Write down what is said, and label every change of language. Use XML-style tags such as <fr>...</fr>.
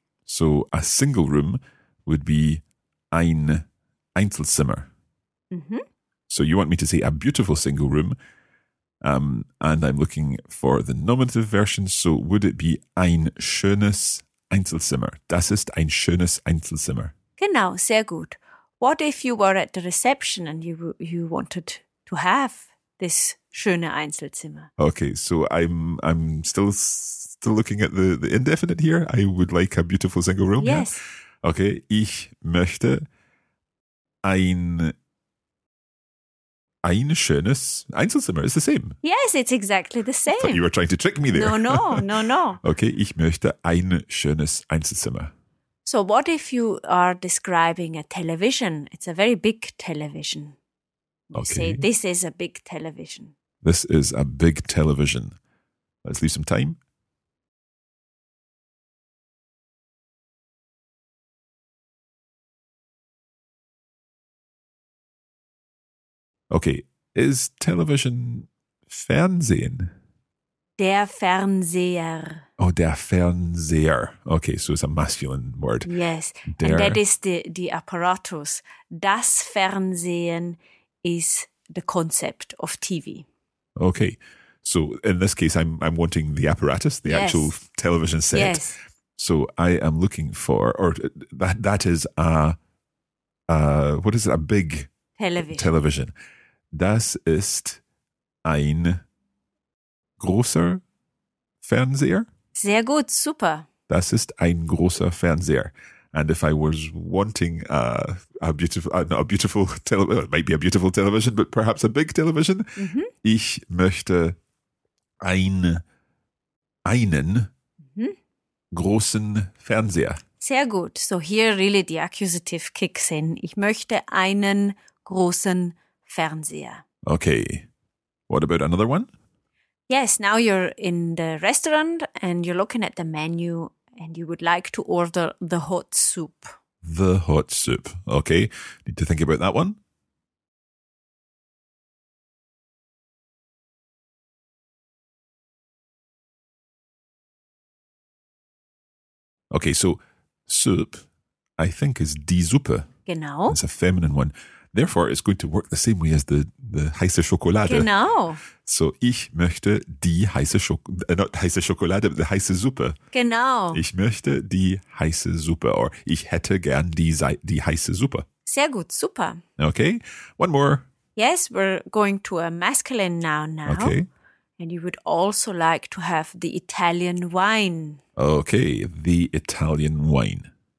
<en>So a single room would be ein Einzelzimmer. Mm-hmm. So you want me to say a beautiful single room, and I'm looking for the nominative version. So would it be</en> <de>ein schönes Einzelzimmer? Das ist ein schönes Einzelzimmer. Genau, sehr gut.</de> <en>What if you were at the reception and you wanted to have this</en> <de>schöne Einzelzimmer?</de> <en>Okay, so I'm still looking at the indefinite here. I would like a beautiful single room. Yes. Yeah.</en> <de>Okay, ich möchte ein schönes Einzelzimmer.</de> <en>It's the same. Yes, it's exactly the same. I thought you were trying to trick me there. No.</en> <de>Okay, ich möchte ein schönes Einzelzimmer.</de> <en>So what if you are describing a television? It's a very big television. You say, this is a big television. This is a big television. Let's leave some time. Okay, is television Fernsehen?</en> <de>Der Fernseher. Oh, der Fernseher.</de> <en>Okay, so it's a masculine word. Yes, and that is the apparatus. Das Fernsehen is the concept of TV. Okay, so in this case, I'm wanting the apparatus, the actual television set. Yes. So I am looking for, or that is a, what is it, a big television.</en> <de>Das ist ein großer Fernseher. Sehr gut, super. Das ist ein großer Fernseher.</de> <en>And if I was wanting a beautiful television, but perhaps a big television, mm-hmm.</en> <de>Ich möchte einen mm-hmm. großen Fernseher. Sehr gut.</de> <en>So here really the accusative kicks in.</en> <de>Ich möchte einen großen Fernseher.</de> <en>Okay. What about another one? Yes, now you're in the restaurant and you're looking at the menu and you would like to order the hot soup. The hot soup. Okay, need to think about that one. Okay, so soup, I think, is die Suppe.</en> <de>Genau.</de> <en>It's a feminine one. Therefore, it's going to work the same way as the</en> <de>heiße Schokolade. Genau.</de> <en>So, ich möchte die heiße Schokolade, not heiße Schokolade, but the heiße Suppe.</en> <de>Genau. Ich möchte die heiße Suppe, or ich hätte gern die heiße Suppe. Sehr gut, super.</de> <en>Okay, one more. Yes, we're going to a masculine noun now. Okay. And you would also like to have the Italian wine. Okay, the Italian wine.</en>